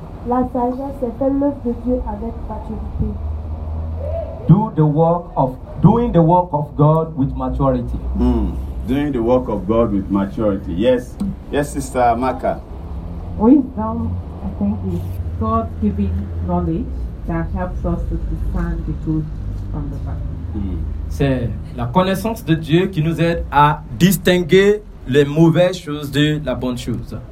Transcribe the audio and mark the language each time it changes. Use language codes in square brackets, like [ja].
[fr] La sagesse, c'est faire l'œuvre de Dieu avec maturité. [en] Doing the work of God with maturity. Doing the work of God with maturity. Yes. Yes, sister Maka. Wisdom, I think, is God giving knowledge that helps us to discern the good from the bad. [fr] C'est la connaissance de Dieu qui nous aide à distinguer les mauvaises choses de la bonne chose.